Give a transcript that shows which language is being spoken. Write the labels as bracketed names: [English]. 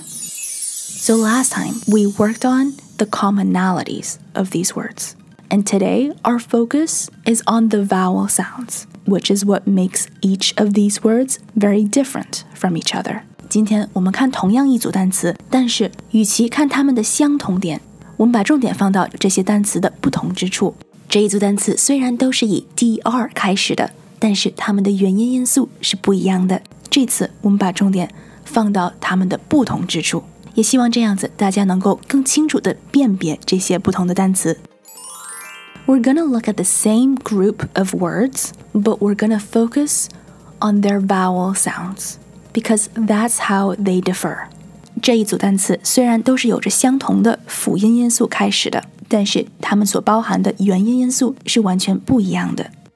[English] So last time, we worked onThe commonalities of these words. And today, our focus is on the vowel sounds, which is what makes each of these words very different from each other. [Chinese] 今天我们看同样一组单词，但是与其看它们的相同点，我们把重点放到这些单词的不同之处。这一组单词虽然都是以 DR 开始的，但是它们的元音因素是不一样的。这次我们把重点放到它们的不同之处。也希望这样子大家能够更清楚地辨别这些不同的单词。 [English] We're gonna look at the same group of words, but we're gonna focus on their vowel sounds, because that's how they differ. [Chinese] 这一组单词虽然都是有着相同的辅音因素开始的，但是它们所包含的元音因素是完全不一样的。